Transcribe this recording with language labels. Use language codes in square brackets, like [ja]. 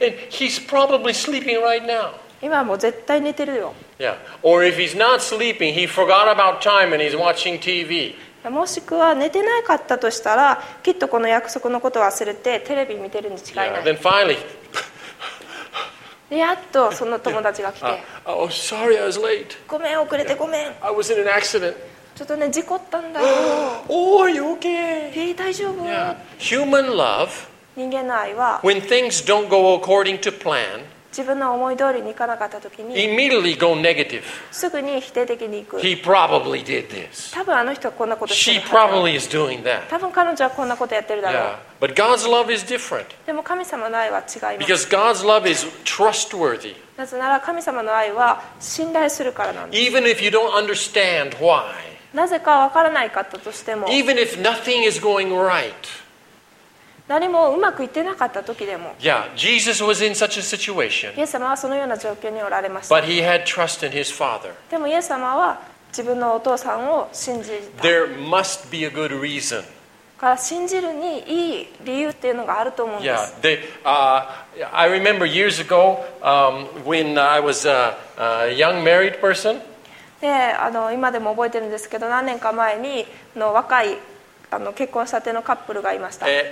[en] He's probably sleeping right now. [ja] 今もう絶対寝てるよ。 [en] Yeah. Or if he's not sleeping, he forgot about time and he's watching TV. [ja] もしくは寝てなかったとしたら、きっとこの約束のことを忘れてテレビ見てるに違いない。 [en] Yeah. Then finally. [ja] やっとその友達が来て、 [en] Oh, sorry, I was late. [ja] ごめん遅れて、ごめん。 [en] I was in an accident. [ja] ちょっとね事故ったんだよ。 [en] Oh, are you okay? [ja] 大丈夫。 [en] Yeah. Human love. [ja] 人間の愛は、 [en] When things don't go according to plan. [ja] 自分の思い通りにいかなかったときに [en] immediately go negative. [ja] すぐに否定的に行く [en] He probably did this. [ja] 多分あの人はこんなことしてる [en] She probably is doing that. [ja] 多分彼女はこんなことやってるだろう、 [en] yeah. But God's love is different. [ja] でも神様の愛は違います [en] Because God's love is trustworthy. [ja] なぜなら神様の愛は信頼するからなんです [en] Even if you don't understand why. [ja] なぜかわからないかったとしても [en] Even if nothing is going right. [ja] 何もうまくいってなかった時でも [en] yeah, Jesus was in such a situation, [ja] イエス様はそのような状況におられました [en] but he had trust in his father. [ja] でもイエス様は自分のお父さんを信じた [en] There must be a good reason. [ja] から信じるにいい理由っていうのがあると思うんです [en] yeah, they, I remember years ago、when I was a, a young married person [ja] で今でも覚えてるんですけど何年か前にの若いあの結婚したてのカップルがいました。